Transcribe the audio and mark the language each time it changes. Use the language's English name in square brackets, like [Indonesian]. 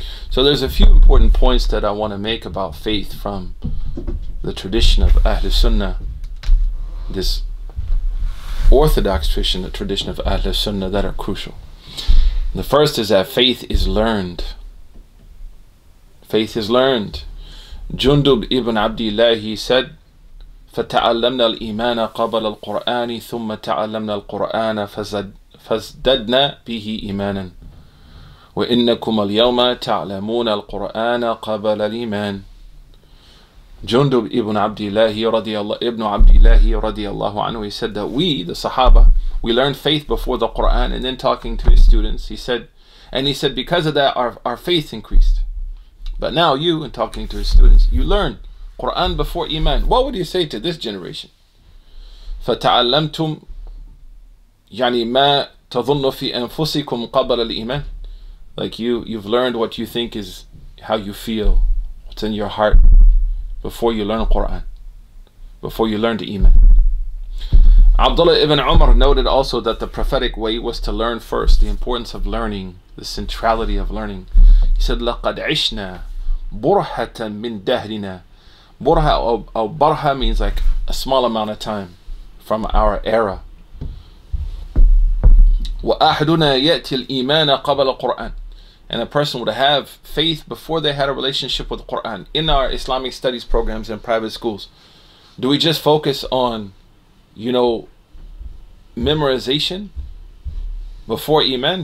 [English] So there's a few important points that I want to make about faith from the tradition of Ahlus Sunnah, this Orthodox tradition, the tradition of Ahlus Sunnah, that are crucial. The first is that faith is learned. Faith is learned. [Arabic] Jundub ibn Abdillah, [English] he said, [Arabic] فَتَعَلَّمْنَا الْإِيمَانَ قَبَلَ الْقُرْآنِ ثُمَّ تَعَلَّمْنَا الْقُرْآنَ فَازْدَدْنَا بِهِ إِيمَانًا وَإِنَّكُمَ الْيَوْمَ تَعْلَمُونَ الْقُرْآنَ قَبَلَ الْإِيمَانِ. [English] Jundub ibn Abdillah, ibn Abdillah, he said that the Sahaba, we learned faith before the Quran, and then talking to his students, he said, because of that, our faith increased. But now you, in talking to his students, you learn Quran before Iman. What would you say to this generation? [Arabic] فَتَعَلَّمْتُمْ يَعْنِي مَا تَظُنُّ فِي أَنفُسِكُمْ قَبَلَ الْإِيمَانِ. [English] Like you've learned what you think is how you feel, what's in your heart, before you learn Quran, before you learn the Iman. Abdullah ibn Umar noted also that the prophetic way was to learn first, the importance of learning, the centrality of learning. He said, [Arabic] لَقَدْ عِشْنَا بُرْحَةً مِنْ دَهْرِنَا. [English] Burha or barha means like a small amount of time from our era. [Arabic] وَأَحْدُنَا يَأْتِ الْإِيمَانَ قَبَلَ الْقُرْآنِ. [English] And a person would have faith before they had a relationship with the Qur'an. In our Islamic studies programs in private schools, do we just focus on, you know, memorization before Iman?